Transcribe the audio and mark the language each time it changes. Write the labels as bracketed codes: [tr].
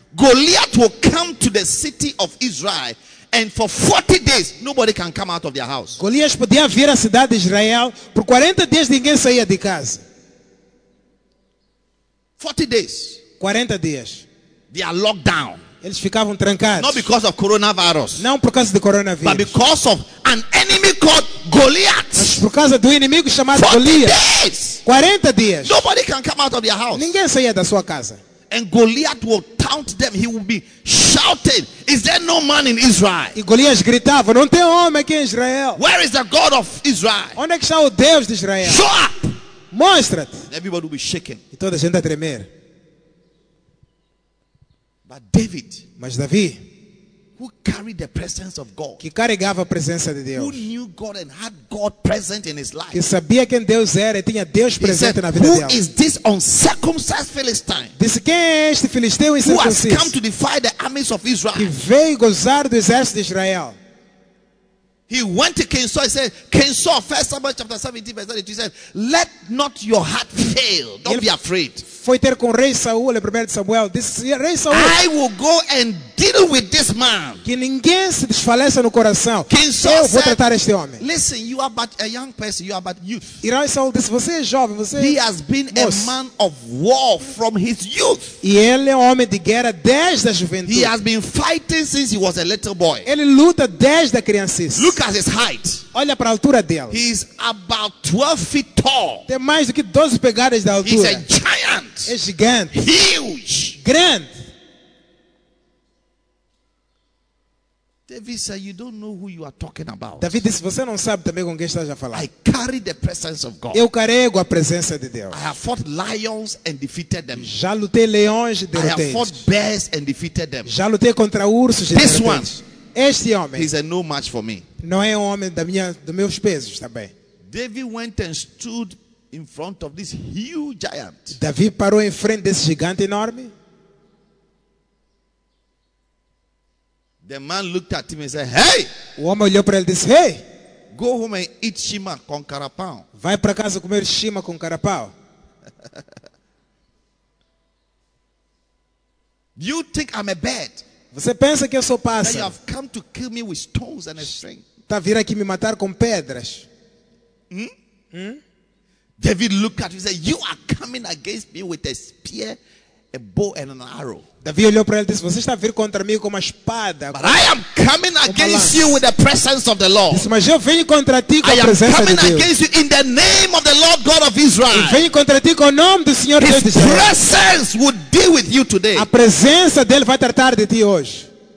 [en] Goliath will come to the city of Israel, and for 40 days nobody can come out of their house. [pt] Golias podia vir à cidade de Israel, por 40 dias ninguém saía de casa. [en] 40 days. [pt] 40 dias. [en] They are locked down. [pt] Eles ficavam trancados. [en] Not because of coronavirus. [pt] Não por causa do coronavírus. [en] But because of an enemy called Goliath. [pt] Mas por causa do inimigo chamado Golias. 40 dias. [en] Nobody can come out of their house. [pt] Ninguém saía da sua casa. [en] And Goliath will taunt them. He will be shouting, "Is there no man in Israel?" [pt] E Golias gritava, "Não tem homem aqui em Israel." [en] Where is the God of Israel? [pt] Onde é que está o Deus de Israel? [en] Show up! [pt] Mostra-te. [en] Everybody will be shaking. [pt] E toda a gente a tremer. [en] But David, [pt] mas Davi, [en] who carried the presence of God, [pt] que carregava a presença de Deus, [en] who knew God and had God present in his life, [pt] que sabia quem Deus era e tinha Deus presente [en] said, [pt] na vida [en] who [pt] dele, [en] who is this uncircumcised Philistine? [pt] Disse, quem é este filisteu incircunciso? [en] Who has come to defy the armies of Israel? [pt] Que veio gozar do exército de Israel. [en] He went to King Saul and said, King Saul, 1 Samuel chapter 17, verse 32, he said, let not your heart fail. Don't be afraid. [pt] Foi ter com o rei Saul, em 1 Samuel. Disse, rei Saul, [en] I will go and deal with this man. [pt] Que ninguém se desfaleça no coração. [en] King Saul [pt] eu vou [en] said, [pt] tratar este homem. [en] Listen, you are but a young person, you are but youth. [pt] E rei Saul disse, você é jovem, você [en] he has been [pt] moço. [en] A man of war from his youth. [pt] E ele é homem de guerra desde a juventude. [en] He has been fighting since he was a little boy. [pt] Ele luta desde a criança. [en] Look at his height. [pt] Olha para a altura dele. [en] He is about 12 feet tall. [pt] Tem mais do que 12 pegadas de altura. [en] He's a giant. [pt] É gigante. [en] Huge. [pt] Grande. [en] David said, you don't know who you are talking about. [pt] David disse, você não sabe também com quem estás a falar. [en] I carry the presence of God. [pt] Eu carrego a presença de Deus. [en] I have fought lions and defeated them. [pt] Já lutei leões e derrotei. [en] I have fought bears and defeated them. [pt] Já lutei contra ursos e [en] this one, [pt] este homem, [en] he's a no match for me. [pt] Não é um homem dos meus pesos também. [en] David went and stood in front of this huge giant. [pt] Davi parou em frente desse gigante enorme. [en] The man looked at him and said, "Hey!" [pt] O homem olhou para ele e disse, "Hey! [en] Go home and eat shima [pt] com carapau." Vai para casa comer shima com carapau. [en] You think I'm a bird? [pt] Você pensa que eu sou pássaro? [en] That you have come to kill me with stones and a string. [pt] Tá vir aqui me matar com pedras. [en] David looked at him and said, "You are coming against me with a spear, a bow and an arrow." [pt] Davi olhou para ele e disse, "Você está vindo contra mim com uma espada." [en] But I am coming against you with the presence of the Lord. [pt] Disse, mas eu venho contra ti com a presença de Deus. [en] I am coming against you in the name of the Lord God of Israel. [pt] Eu venho contra ti com o nome do Senhor Deus de Israel. [en] His presence would deal with you today. [pt] A presença dele vai tratar de ti hoje.